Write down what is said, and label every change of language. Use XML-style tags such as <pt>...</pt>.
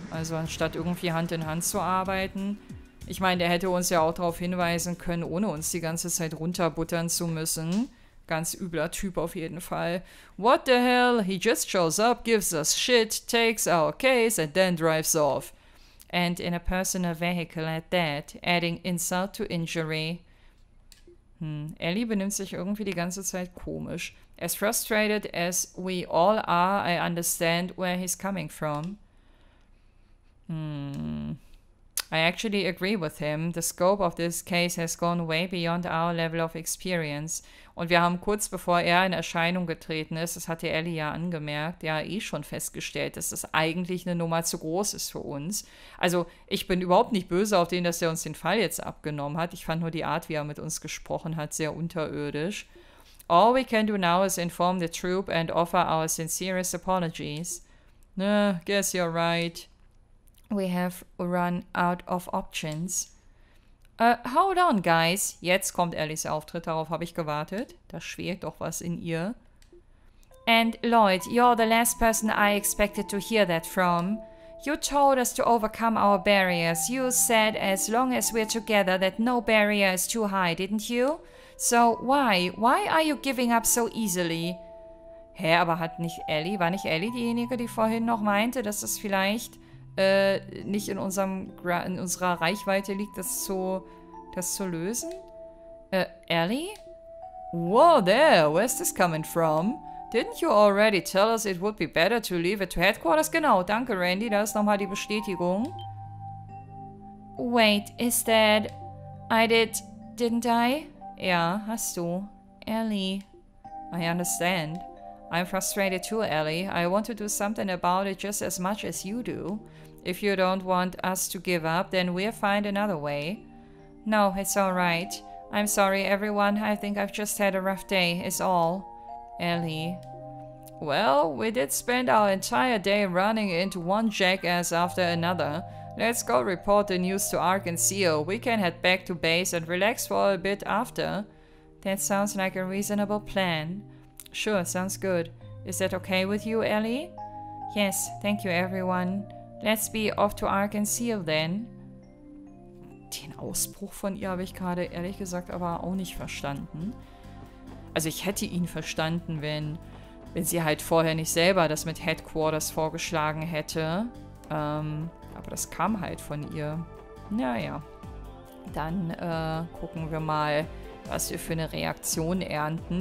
<de>Also anstatt irgendwie Hand in Hand zu arbeiten. Ich meine, der hätte uns ja auch darauf hinweisen können, ohne uns die ganze Zeit runterbuttern zu müssen. Ganz übler Typ auf jeden Fall.</de> <en>What the hell? He just shows up, gives us shit, takes our case and then drives off. And in a personal vehicle at that, adding insult to injury.</en> <de>Ellie benimmt sich irgendwie die ganze Zeit komisch.</de> <en>As frustrated as we all are, I understand where he's coming from. I actually agree with him. The scope of this case has gone way beyond our level of experience.</en> <de>Und wir haben kurz bevor er in Erscheinung getreten ist, das hat die Ellie ja angemerkt, ja eh schon festgestellt, dass das eigentlich eine Nummer zu groß ist für uns. Also ich bin überhaupt nicht böse auf den, dass er uns den Fall jetzt abgenommen hat. Ich fand nur die Art, wie er mit uns gesprochen hat, sehr unterirdisch.</de> <en>All we can do now is inform the troop and offer our sincerest apologies. Nah, guess you're right. We have run out of options. Hold on, guys.</en> <de>Jetzt kommt Ellies Auftritt. Darauf habe ich gewartet. Da schwebt doch was in ihr.</de> <en>And Lloyd, you're the last person I expected to hear that from. You told us to overcome our barriers. You said as long as we're together that no barrier is too high, didn't you? So why? Why are you giving up so easily?</en> <de>Hä, aber hat nicht Ellie, war nicht Ellie diejenige, die vorhin noch meinte, dass das vielleicht nicht in unserem in unserer Reichweite liegt, das zu lösen?</de> <en>Ellie? Whoa there, where's this coming from? Didn't you already tell us it would be better to leave it to headquarters?</en> <de>Genau, danke Randy, da ist nochmal die Bestätigung.</de> <en>Wait, is that... Didn't I?</en> <de>Ja, hast du.</de> <en>Ellie. I understand. I'm frustrated too, Ellie. I want to do something about it just as much as you do. If you don't want us to give up, then we'll find another way. No, it's all right. I'm sorry, everyone. I think I've just had a rough day, is all. Ellie. Well, we did spend our entire day running into one jackass after another. Let's go report the news to Ark and Seal. We can head back to base and relax for a bit after. That sounds like a reasonable plan. Sure, sounds good. Is that okay with you, Ellie? Yes, thank you, everyone. Let's be off to Ark and Seal then.</en> <de>Den Ausbruch von ihr habe ich gerade ehrlich gesagt aber auch nicht verstanden. Also ich hätte ihn verstanden, wenn sie halt vorher nicht selber das mit Headquarters vorgeschlagen hätte. Aber das kam halt von ihr. Naja, dann gucken wir mal, was wir für eine Reaktion ernten.</de>